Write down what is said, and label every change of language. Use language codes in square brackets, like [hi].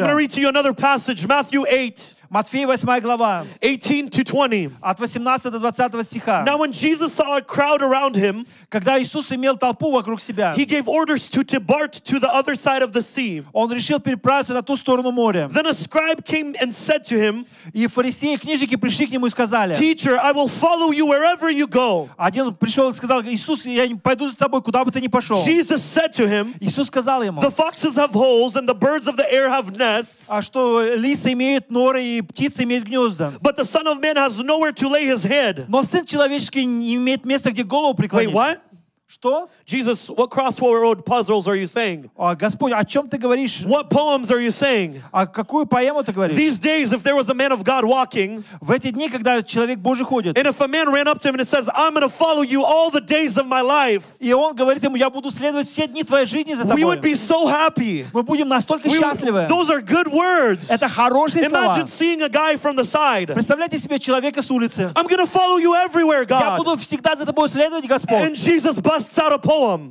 [en] I'm going to read to you another passage, Matthew 8. [ru] Матфея 8 глава. [en] 18 to 20. [ru] От 18 до 20 стиха. [en] Now when Jesus saw a crowd around him, [ru] когда Иисус имел толпу вокруг себя, [en] he gave orders to depart to the other side of the sea. [ru] Он решил переправиться на ту сторону моря. [en] Then a scribe came and said to him, [ru] и фарисеи и книжники пришли к нему и сказали, [en] Teacher, I will follow you wherever you go. [ru] Один пришел и сказал, Иисус, я пойду за тобой, куда бы ты ни пошел. [en] Jesus said to him, [ru] Иисус сказал ему, [en] The foxes have holes and the birds of the air have nests. [ru] А что лисы имеют норы и птицы имеют гнезда. [en] But the Son of Man has nowhere to lay his head. [ru] Но Сын Человеческий не имеет места, где голову преклонить. [en] Wait, what? [ru] Что? [en] Jesus, what crossword puzzles are you saying? [ru] А, Господь, о чем ты говоришь? [en] What poems are you saying? [ru] А какую поэму ты говоришь? [en] These days, if there was a man of God walking, [ru] в эти дни, когда человек Божий ходит, [en] and if a man ran up to him and says, I'm going to follow you all the days of my life, [ru] и он говорит ему, я буду следовать все дни твоей жизни за тобой, [en] we would be so happy. [ru] Мы будем настолько счастливы. [en] Those are good words. [ru] Это хорошие слова. [en] Imagine seeing a guy from the side. [ru] Представляете себе человека с улицы. [en] I'm going to follow you everywhere, God. [ru] Я буду всегда за тобой следовать, Господь. [en] And Jesus busts out a poem.